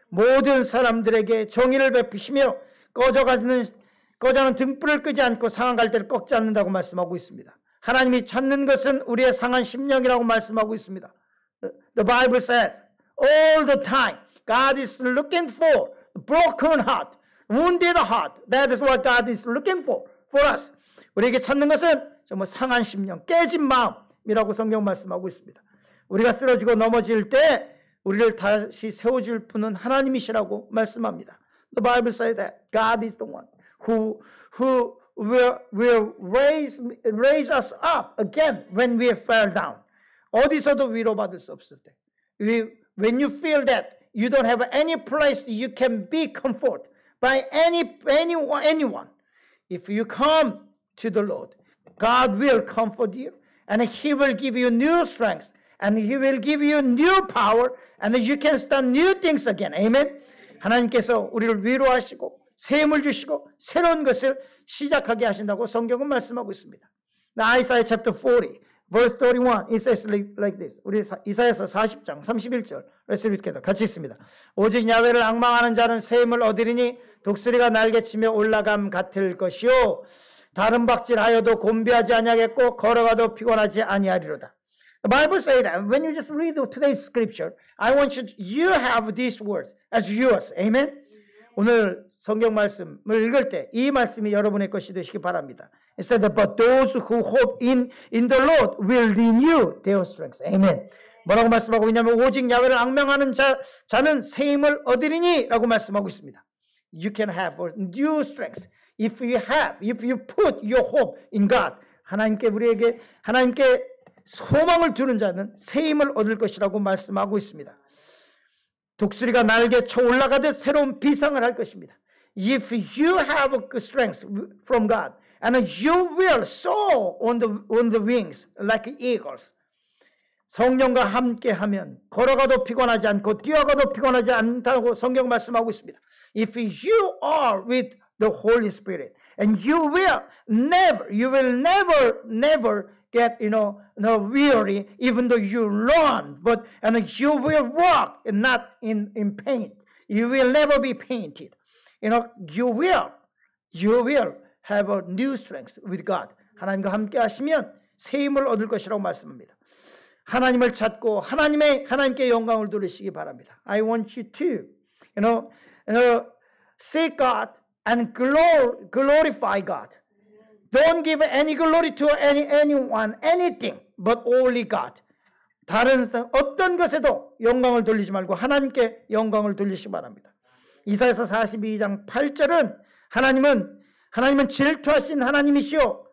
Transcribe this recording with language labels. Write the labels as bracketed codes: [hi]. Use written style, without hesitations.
[ko] 모든 사람들에게 정의를 베푸시며 꺼져가는 등불을 끄지 않고 상한 갈대를 꺾지 않는다고 말씀하고 있습니다. 하나님이 찾는 것은 우리의 상한 심령이라고 말씀하고 있습니다. [en] The Bible says, all the time, God is looking for broken heart. Wounded heart. That is what God is looking for us. [ko] 우리에게 찾는 것은 정말 상한 심령, 깨진 마음이라고 성경 말씀하고 있습니다. 우리가 쓰러지고 넘어질 때 우리를 다시 세워줄 분은 하나님이시라고 말씀합니다. [en] The Bible says that God is the one who will raise us up again when we fell down. [ko] 어디서도 위로받을 수 없을 때. [en] When you feel that you don't have any place you can be comfort. By anyone, if you come to the Lord, God will comfort you, and He will give you new strength, and He will give you new power, and you can start new things again. Amen. [ko] 하나님께서 우리를 위로하시고 세임을 주시고 새로운 것을 시작하게 하신다고 성경은 말씀하고 있습니다. [en] Now, Isaiah chapter 40, verse 31, it says like this. [ko] 우리 이사야서 40장 31절 [en] Let's read together. [ko] 같이 있습니다. 오직 야훼를 앙망하는 자는 세임을 얻으리니 독수리가 날개치며 올라감 같을 것이요 다른 박질하여도 곤비하지 아니하겠고 걸어가도 피곤하지 아니하리로다. [en] The Bible says that when you just read today's scripture, I want you have this word as yours. Amen. [ko] 오늘 성경 말씀을 읽을 때 이 말씀이 여러분의 것이 되시기 바랍니다. [en] It said that, but those who hope in the Lord will renew their strength. Amen. [ko] 뭐라고 말씀하고 있냐면 오직 야훼를 앙망하는 자는 세임을 얻으리니라고 말씀하고 있습니다. [en] You can have a new strength if you have, if you put your hope in God. [ko] 하나님께 소망을 두는 자는 세임을 얻을 것이라고 말씀하고 있습니다. 독수리가 날개 쳐 올라가듯 새로운 비상을 할 것입니다. [en] If you have a good strength from God, and you will soar on the wings like eagles. [ko] 성령과 함께하면 걸어가도 피곤하지 않고 뛰어가도 피곤하지 않다고 성경 말씀하고 있습니다. [en] If you are with the Holy Spirit, and you will never get, weary, even though you run, and you will walk, not in pain. You will never be painted. You will have a new strength with God. [ko] 하나님과 함께하시면 세임을 얻을 것이라고 말씀합니다. 하나님을 찾고 하나님께 영광을 돌리시기 바랍니다. [en] I want you to, seek God and glorify God. Don't give any glory to anyone, anything, but only God. [ko] 다른 어떤 것에도 영광을 돌리지 말고 하나님께 영광을 돌리시기 바랍니다. 이사야서 42장 8절은 하나님은 질투하신 하나님이시오.